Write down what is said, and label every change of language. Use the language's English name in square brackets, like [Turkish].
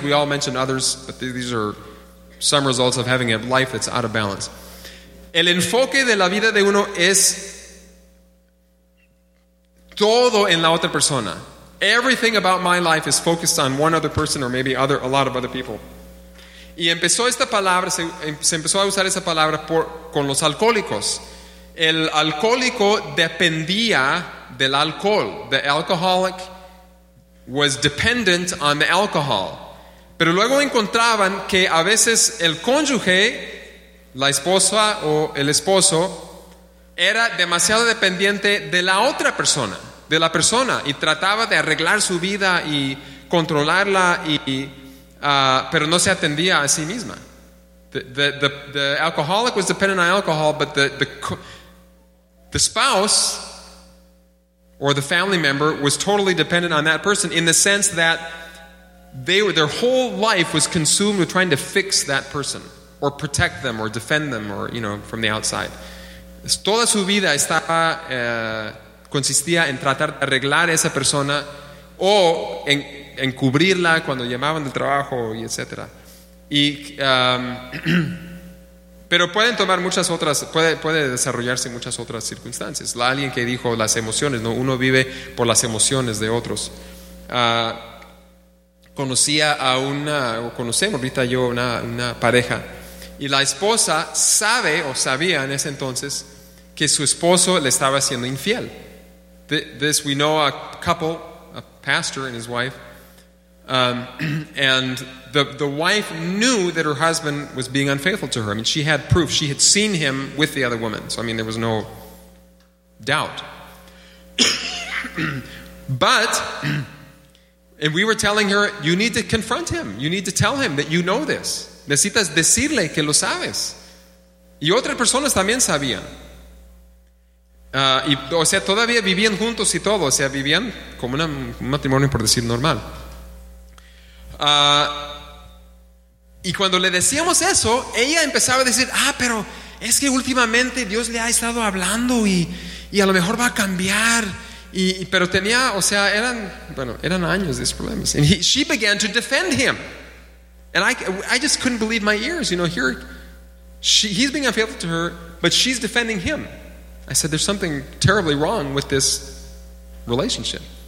[English] We all mentioned others, but these are some results of having a life that's out of balance. [Spanish] El enfoque de la vida de uno es todo en la otra persona. [English] Everything about my life is focused on one other person or maybe a lot of other people. [Spanish] Y empezó esta palabra, se empezó a usar esa palabra con los alcohólicos. El alcohólico dependía del alcohol. [English] The alcoholic was dependent on the alcohol. [Spanish] Pero luego encontraban que a veces el cónyuge, la esposa o el esposo, era demasiado dependiente de la otra persona, de la persona, y trataba de arreglar su vida y controlarla, pero no se atendía a sí misma. [English] The alcoholic was dependent on alcohol, but the spouse or the family member was totally dependent on that person in the sense that their whole life was consumed with trying to fix that person or protect them or defend them or, you know, from the outside. [Spanish] Toda su vida estaba consistía en tratar de arreglar a esa persona o en cubrirla cuando llamaban del trabajo y etc. Y pero pueden tomar muchas otras, puede desarrollarse muchas otras circunstancias. Alguien que dijo las emociones, ¿no? Uno vive por las emociones de otros. Conocemos ahorita yo una pareja, y la esposa sabe o sabía en ese entonces que su esposo le estaba siendo infiel. [English] This we know a couple, a pastor and his wife, and the wife knew that her husband was being unfaithful to her. I mean, she had proof. She had seen him with the other woman. So, I mean, there was no doubt. But, and we were telling her, you need to confront him. You need to tell him that you know this. [Spanish] Necesitas decirle que lo sabes. Y otras personas también sabían. O sea, todavía vivían juntos y todo. O sea, vivían como un matrimonio, por decir, normal. Y cuando le decíamos eso, ella empezaba a decir: ah, pero es que últimamente Dios le ha estado hablando y a lo mejor va a cambiar. Pero tenía, o sea, eran años de esos problemas. [English] And she began to defend him. And I just couldn't believe my ears. You know, here, he's being unfaithful to her, but she's defending him. I said, there's something terribly wrong with this relationship.